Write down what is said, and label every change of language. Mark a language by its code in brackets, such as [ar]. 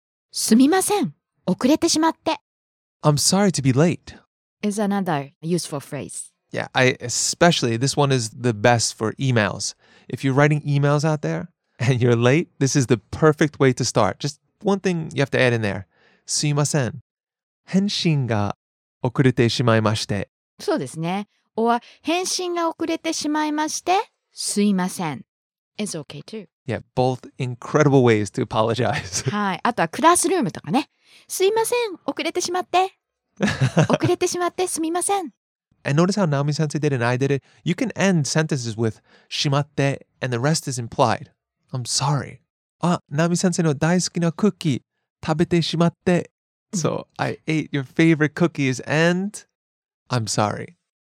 [ja] すみません。遅れてしまって。 [en] I'm sorry to be late. Is another useful phrase. Yeah, especially this one is the best for emails. If you're writing emails out there and you're late, this is the perfect way to start. Just one thing you have to add in there. [ja] すいません。返信が遅れてしまいまして。そうですね。 Or 返信が遅れてしまいまして。すいません。 [en] It's okay too. Yeah, both incredible ways to apologize. [ja] はい。あとはクラスルームとかね。すいません。遅れてしまって。遅れてしまってすみません。 [en] And notice how Naomi-sensei did it and I did it. You can end sentences with shimatte and the rest is implied. I'm sorry. [ja] Ah, Naomi-sensei no daisuki na cookie, tabete shimatte. [en] So I ate your favorite cookies and I'm sorry.